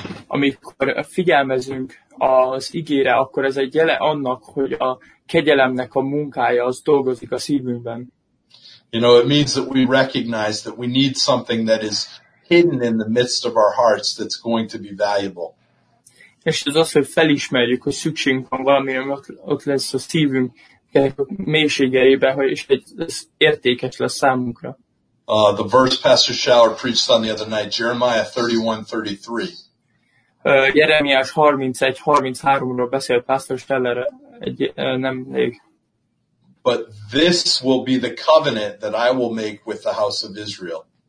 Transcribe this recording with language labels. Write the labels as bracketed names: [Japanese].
[Hungarian] Amikor figyelmezünk az igére, akkor ez egy jele annak, hogy a kegyelemnek a munkája az dolgozik a szívünkben. [English] You know, it means that we recognize that we need something that is hidden in the midst of our hearts that's going to be valuable. [Hungarian] És ez az, hogy felismerjük, hogy szükségünk van valami, ott lesz a szívünk mélységeibe, hogy ez értékes lesz számunkra. [English] The verse Pastor Schauer preached on the other night, Jeremiah 31:33. [Hungarian] Jeremiás 31:33-ról beszélt Pastor Schauer nemrég. [English] But this will be the covenant that I will make with the house of Israel.